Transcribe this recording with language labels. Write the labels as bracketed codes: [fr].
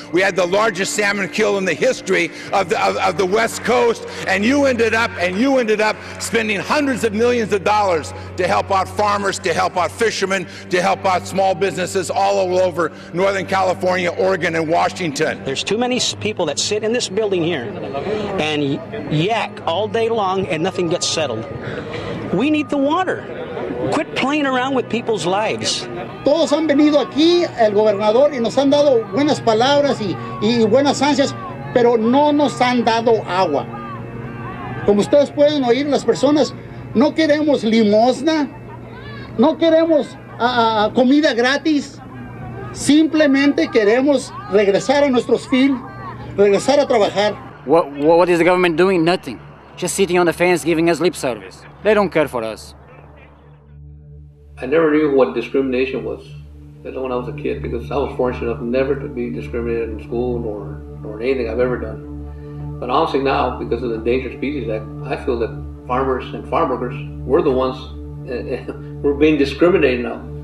[en] We had the largest salmon kill in the history of the West Coast, and you ended up spending hundreds of millions of dollars to help out farmers, to help out fishermen, to help out small businesses all over Northern California, Oregon, and Washington. There's too many people that sit in this building here and yak all day long and nothing gets settled. We need the water. Quit playing around with people's lives. [es] Todos han venido aquí, el gobernador, y nos han dado buenas palabras y buenas ansias, pero no nos han dado agua. Como ustedes pueden oír, las personas no queremos limosna, no queremos comida gratis, simplemente queremos regresar a nuestros fields, regresar a trabajar. [en] What is the government doing? Nothing. Just sitting on the fence giving us lip service. They don't care for us. I never knew what discrimination was until when I was a kid, because I was fortunate enough never to be discriminated in school nor in anything I've ever done. But honestly now, because of the Endangered Species Act, I feel that farmers and farm workers were the ones we're being discriminated now.